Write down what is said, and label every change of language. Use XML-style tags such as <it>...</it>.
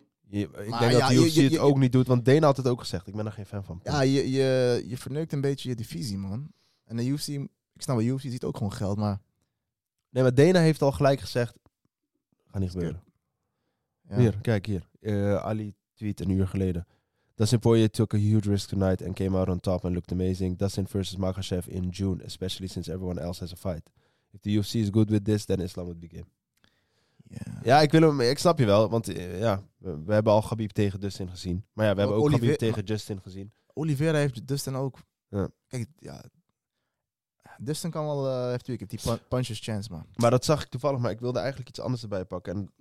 <nl>Ik denk dat de UFC het ook niet doet. Want Dana had het ook gezegd. Ik ben er geen fan van. Ja, je verneukt een beetje je divisie, man. En de UFC... Ik snap wel, UFC ziet ook gewoon geld, maar... Nee, maar Dana heeft al gelijk gezegd... Gaat niet gebeuren. Ja. Hier, kijk hier. Ali tweet een uur geleden...</nl> <en>Dustin Poirier took a huge risk tonight and came out on top and looked amazing. Dustin versus Makhachev in June, especially since everyone else has a fight. If the UFC is good with this, then Islam would be game. Yeah.</en> <nl>Ja, ik snap je wel, want ja, we hebben al Khabib tegen Dustin gezien. Maar ja, we hebben ook Khabib tegen Justin gezien. Oliveira heeft Dustin ook. Ja. Kijk, ja. Dustin kan wel heeft natuurlijk die punches chance, man. Maar dat zag ik toevallig, maar ik wilde eigenlijk iets anders erbij pakken.</nl>